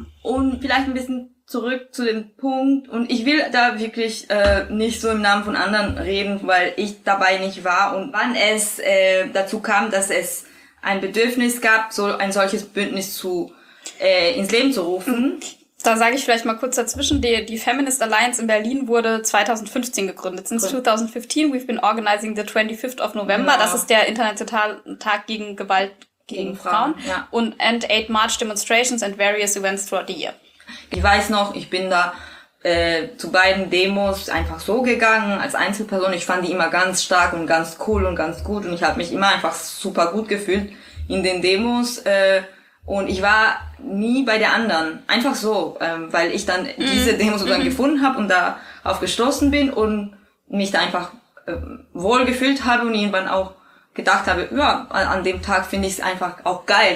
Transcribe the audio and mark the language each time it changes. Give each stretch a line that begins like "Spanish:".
German: Und vielleicht ein bisschen zurück zu dem Punkt, und ich will da wirklich nicht so im Namen von anderen reden, weil ich dabei nicht war, und wann es dazu kam, dass es ein Bedürfnis gab, so ein solches Bündnis zu ins Leben zu rufen. Da sage ich vielleicht mal kurz dazwischen, die Feminist Alliance in Berlin wurde 2015 gegründet.
English: Since 2015, we've been organizing the 25th of November,
German: genau. Das ist der internationale Tag gegen Gewalt gegen Frauen. Ja. Und
English: 8 March Demonstrations and various events throughout the year.
German: Ich weiß noch, ich bin da zu beiden Demos einfach so gegangen als Einzelperson. Ich fand die immer ganz stark und ganz cool und ganz gut und ich habe mich immer einfach super gut gefühlt in den Demos und ich war nie bei der anderen. Einfach so, weil ich dann diese Demos sozusagen gefunden habe und da drauf gestoßen bin und mich da einfach wohl gefühlt habe und irgendwann auch gedacht habe, ja, an dem Tag finde ich es einfach auch geil.